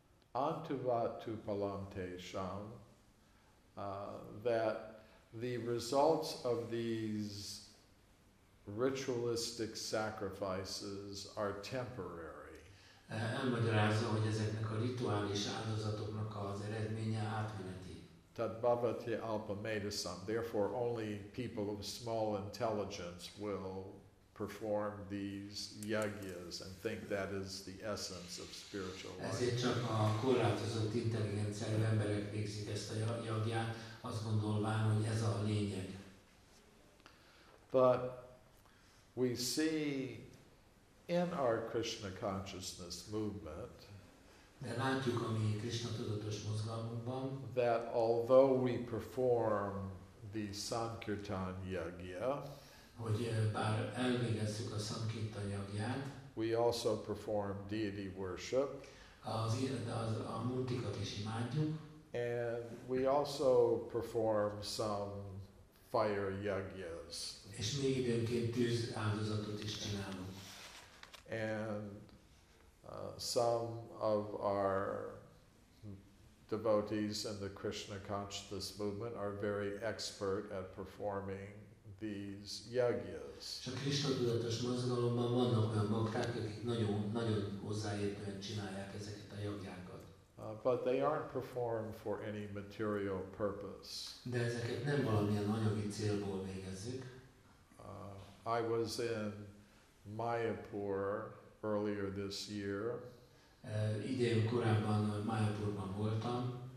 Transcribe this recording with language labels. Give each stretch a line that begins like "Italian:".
Sanskrit: Antuvatu Palante Sham,
English: that the results of these ritualistic sacrifices are temporary.
Hungarian: Elmagyarázza, hogy ezeknek a rituális áldozatoknak az eredménye átmeneti.
Sanskrit: Tad bhavati alpamedasam.
English: Therefore, only people of small intelligence will perform these yagyas and think that is the essence of spiritual life.
Hungarian: Ezért csak a korlátozott intelligenciájú emberek végzik ezt a yagyát, azt gondolván, hogy ez a lényeg.
English: But we see in our Krishna consciousness movement,
Hungarian: de látjuk a mi Krishna tudatos mozgalmunkban,
English: that although we perform the Sankirtan yagya,
Hungarian: hogy bár elvégezzük a Sankirtan yagyát,
English: we also perform deity worship,
Hungarian: az a multikat is imádjuk,
English: and we also perform some fire yagyas,
Hungarian: és még időnként tűz áldozatot is csinálunk.
English: And some of our devotees in the Krishna consciousness movement are very expert at performing these yagyas.
Hungarian: A Krishna tudatos mozgalomban vannak olyan bakták, akik nagyon hozzáértően csinálják ezeket a yagyákat.
English: But they aren't performed for any material purpose.
Hungarian: De ezeket nem valamilyen anyagi célból végezzük.
English: I was in Mayapur earlier this year.
Hungarian: Idén korábban Mayapurban voltam.